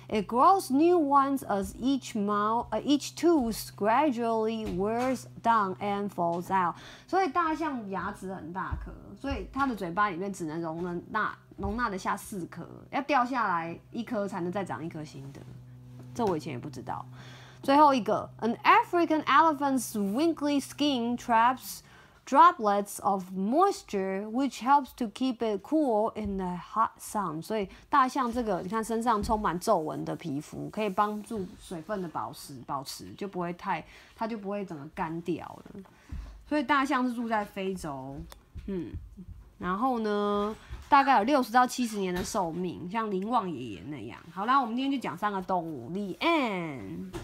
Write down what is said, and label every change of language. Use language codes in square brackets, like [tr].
[en] It grows new ones as each tooth gradually wears down and falls out. [zh] 所以大象牙齿很大颗，所以它的嘴巴里面只能容纳得下四颗，要掉下来一颗才能再长一颗新的。这我以前也不知道。最后一个 [en] ，An African elephant's wrinkly skin traps droplets of moisture, which helps to keep it cool in the hot sun. [zh] 所以大象这个，你看身上充满皱纹的皮肤，可以帮助水分的保持，就不会太，它就不会整个干掉了。所以大象是住在非洲，然后呢，大概有60到70年的寿命，像林旺爷爷那样。好啦，我们今天就讲三个动物 ， [en] The end。